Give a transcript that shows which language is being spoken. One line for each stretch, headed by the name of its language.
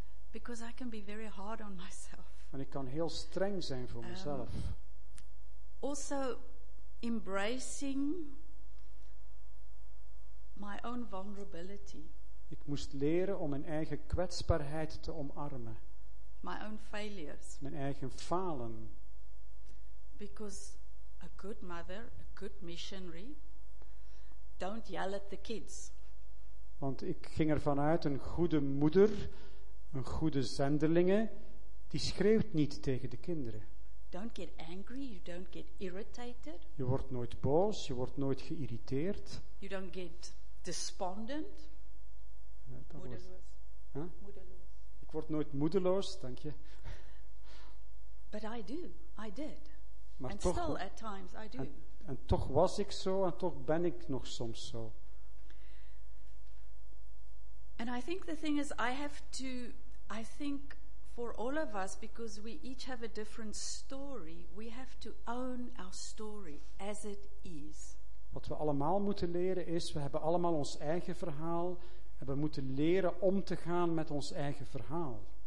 English: Because I can be very hard on myself.
Dutch: En ik kan heel streng zijn voor mezelf.
English: Also embracing my own vulnerability.
Dutch: Ik moest leren om mijn eigen kwetsbaarheid te omarmen.
English: My own failures.
Dutch: Mijn eigen falen.
English: Because a good mother, a good missionary, don't yell at the kids.
Dutch: Want ik ging ervan uit, een goede moeder, een goede zendelinge, die schreeuwt niet tegen de kinderen.
English: Don't get angry, you don't get irritated.
Dutch: Je wordt nooit boos, je wordt nooit geïrriteerd.
English: You don't get despondent. Moedeloos.
Dutch: Ik word nooit moedeloos, dank je.
English: But I do, I did.
Dutch: Maar
English: and
Dutch: toch,
English: still at times I do.
Dutch: En toch was ik zo en toch ben ik nog soms zo.
English: And I think the thing is, I think for all of us, because we each have a different story, we have to own our story as it is.
Dutch: Wat we allemaal moeten leren is, we hebben allemaal ons eigen verhaal. En we moeten leren om te gaan met ons eigen verhaal.